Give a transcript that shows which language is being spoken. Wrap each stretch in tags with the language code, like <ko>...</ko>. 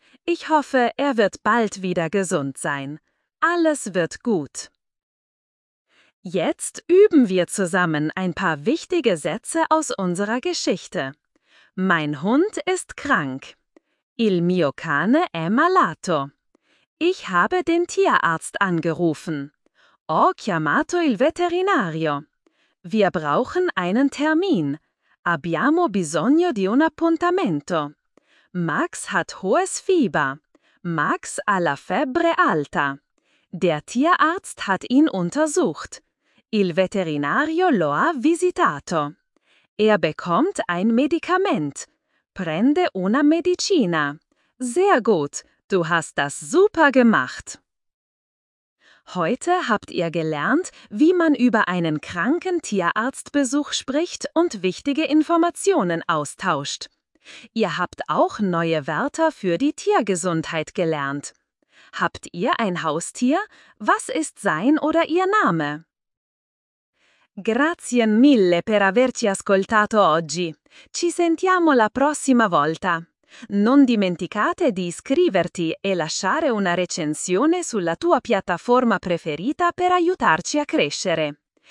<de>Ich hoffe, er wird bald wieder gesund sein. Alles wird gut. Jetzt üben wir zusammen ein paar wichtige Sätze aus unserer Geschichte. Mein Hund ist krank.</de> <it>Il mio cane è malato.</it> <de>Ich habe den Tierarzt angerufen.</de> <it>Ho chiamato il veterinario.</it> <de>Wir brauchen einen Termin.</de> <it>Abbiamo bisogno di un appuntamento.</it> <de>Max hat hohes Fieber.</de> <it>Max ha la febbre alta.</it> <de>Der Tierarzt hat ihn untersucht.</de> <it>Il veterinario lo ha visitato.</it> <de>Er bekommt ein Medikament.</de> <it>Prende una medicina.</it> <de>Sehr gut, du hast das super gemacht. Heute habt ihr gelernt, wie man über einen kranken Tierarztbesuch spricht und wichtige Informationen austauscht. Ihr habt auch neue Wörter für die Tiergesundheit gelernt. Habt ihr ein Haustier? Was ist sein oder ihr Name?</de> <it>Grazie mille per averci ascoltato oggi. Ci sentiamo la prossima volta. Non dimenticate di iscriverti e lasciare una recensione sulla tua piattaforma preferita per aiutarci a crescere.</it>